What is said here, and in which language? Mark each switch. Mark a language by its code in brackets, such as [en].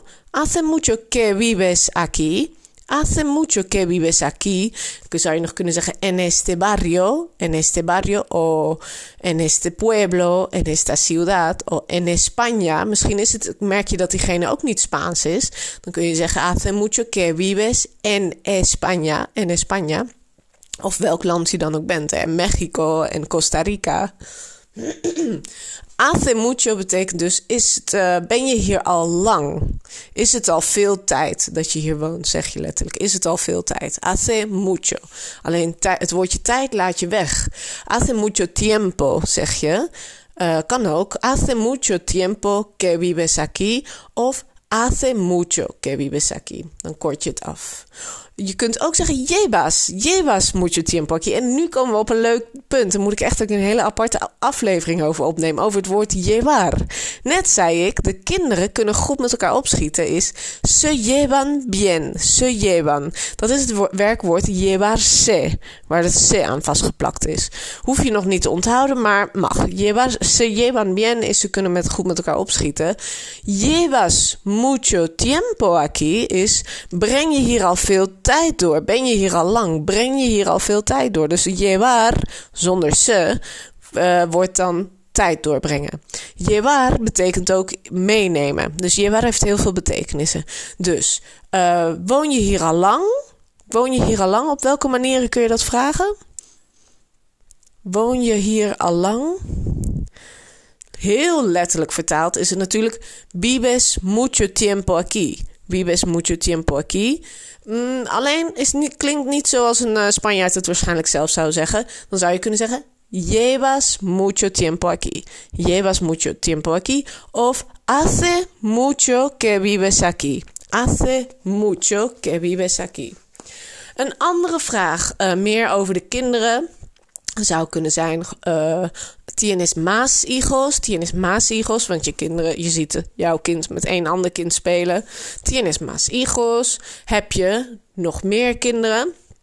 [es] Hace mucho que vives aquí, hace mucho que vives aquí. [nl] Dan zou je nog kunnen zeggen [es] en este barrio, o en este pueblo, en esta ciudad, o en España. [nl] Misschien is het, merk je dat diegene ook niet Spaans is, dan kun je zeggen [es] hace mucho que vives en España. [nl] Of welk land je dan ook bent, hè? Mexico en Costa Rica. [es] Hace mucho [nl] betekent dus, ben je hier al lang? Is het al veel tijd dat je hier woont, zeg je letterlijk. Is het al veel tijd? [es] Hace mucho. [nl] Alleen het woordje tijd laat je weg. [es] Hace mucho tiempo, [nl] zeg je. Kan ook. [es] Hace mucho tiempo que vives aquí. Of hace mucho que vives aquí. [nl] Dan kort je het af. Je kunt ook zeggen, [es] llevas mucho tiempo aquí. [nl] En nu komen we op een leuk punt. Daar moet ik echt ook een hele aparte aflevering over opnemen. Over het woord llevar. Net zei ik, de kinderen kunnen goed met elkaar opschieten. Is [es] se llevan bien. Se llevan. [nl] Dat is het werkwoord llevarse. Waar het se aan vastgeplakt is. Hoef je nog niet te onthouden, maar mag. [es] Se llevan bien [nl] is ze kunnen goed met elkaar opschieten. [es] Llevas mucho tiempo aquí [nl] is breng je hier al veel tijd door. Ben je hier al lang? Breng je hier al veel tijd door? Dus llevar zonder se wordt dan tijd doorbrengen. Llevar betekent ook meenemen. Dus llevar heeft heel veel betekenissen. Dus woon je hier al lang? Woon je hier al lang? Op welke manieren kun je dat vragen? Woon je hier al lang? Heel letterlijk vertaald is het natuurlijk [es] vives mucho tiempo aquí. Vives mucho tiempo aquí. [nl] Alleen klinkt niet zoals een Spanjaard het waarschijnlijk zelf zou zeggen. Dan zou je kunnen zeggen, [es] llevas mucho tiempo aquí. Llevas mucho tiempo aquí. Of hace mucho que vives aquí. Hace mucho que vives aquí. [nl] Een andere vraag, meer over de kinderen, zou kunnen zijn, [es] tienes más hijos? Tienes más hijos? [nl] Want je ziet jouw kind met één ander kind spelen. [es] Tienes más hijos? [nl] Heb je nog meer kinderen?